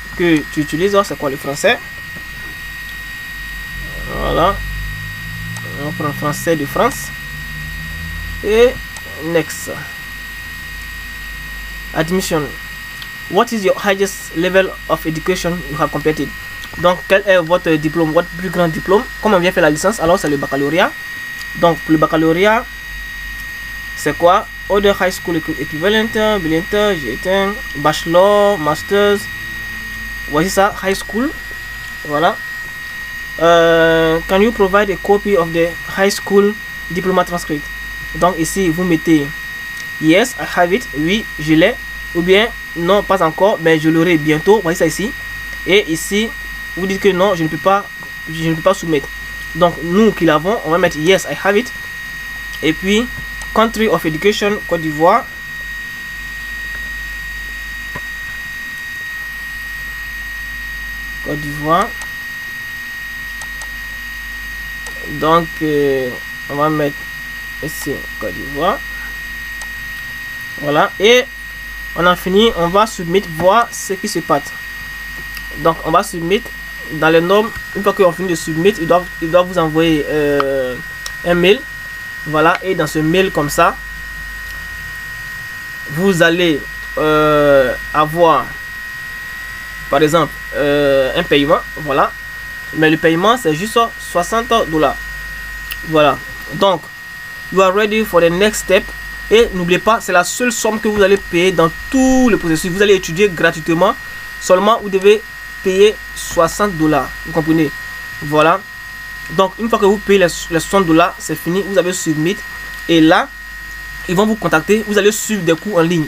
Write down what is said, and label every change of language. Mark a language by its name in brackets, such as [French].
[French] Que tu utilises, c'est quoi le français? Voilà, on prend français de France et next. Admission. [English] What is your highest level of education you have completed? [French] Donc, quel est votre diplôme, votre plus grand diplôme? Comment vient faire la licence? Alors, c'est le baccalauréat. Donc, pour le baccalauréat, c'est quoi? [English] Other high school equivalent, brilliant, [French] j'ai atteint [English] bachelor, masters. [French] Voici ça, high school. Voilà. [English] Can you provide a copy of the high school diploma transcript? [French] Donc ici, vous mettez [English] yes, I have it. [French] Oui, je l'ai. Ou bien non, pas encore, mais je l'aurai bientôt. Voici ça ici. Et ici, vous dites que non, je ne peux pas soumettre. Donc nous qui l'avons, on va mettre [English] yes, I have it. [French] Et puis country of education, Côte d'Ivoire. Côte d'Ivoire. Donc, on va mettre ici Côte d'Ivoire. Voilà. Et on a fini. On va submettre, voir ce qui se passe. Donc, on va submettre dans les normes. Une fois qu'on finit de submettre, il doit vous envoyer un mail. Voilà. Et dans ce mail, comme ça, vous allez avoir, par exemple, un paiement. Voilà. Mais le paiement, c'est juste 60 $. Voilà. [English] Donc, you are ready for the next step. [French] Et n'oubliez pas, c'est la seule somme que vous allez payer dans tout le processus. Vous allez étudier gratuitement. Seulement, vous devez payer 60 $. Vous comprenez? Voilà. Donc, une fois que vous payez les 60 $, c'est fini. Vous avez submit. Et là, ils vont vous contacter. Vous allez suivre des cours en ligne.